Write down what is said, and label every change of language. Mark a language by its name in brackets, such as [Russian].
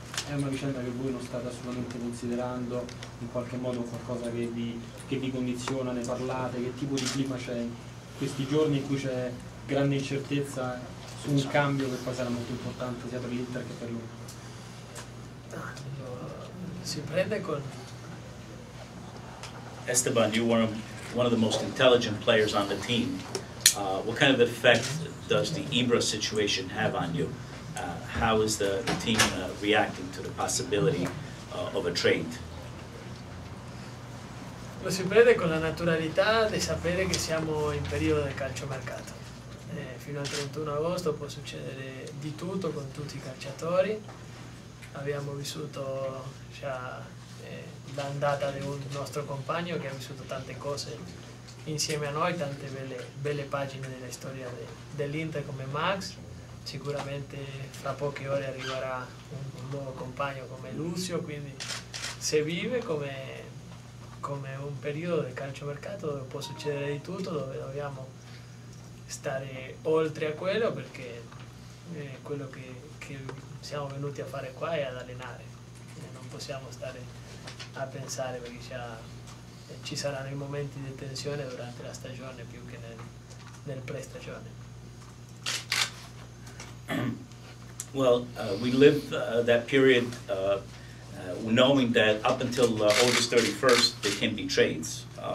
[Italian] è una vicenda che voi non state assolutamente considerando in qualche modo, qualcosa che vi condiziona, ne parlate, che tipo di clima c'è in questi giorni in cui c'è grande incertezza su un cambio che poi sarà molto importante sia per l'Inter che per lui? Si prende con [English] Esteban, you're one of the most intelligent players on the team. What kind of effect does the Ibra situation have on you? How is the team reacting to the possibility of a trade? [Italian] Lo si prende con la naturalità di sapere che siamo in periodo del calciomercato. Fino al 31 agosto può succedere di tutto con tutti I calciatori. Abbiamo vissuto già l'andata di un nostro compagno che ha vissuto tante cose insieme a noi, tante belle pagine della storia dell'Inter come Max. Sicuramente fra poche ore arriverà un nuovo compagno come Lucio, quindi si vive come un periodo del calciomercato dove può succedere di tutto, dove dobbiamo stare oltre a quello, perché quello che siamo venuti a fare qua è ad allenare, non possiamo stare a pensare, perché già ci saranno I momenti di tensione durante la stagione più che nel pre-stagione. [English] Well, we live that period knowing that up until August 31st there can be trades.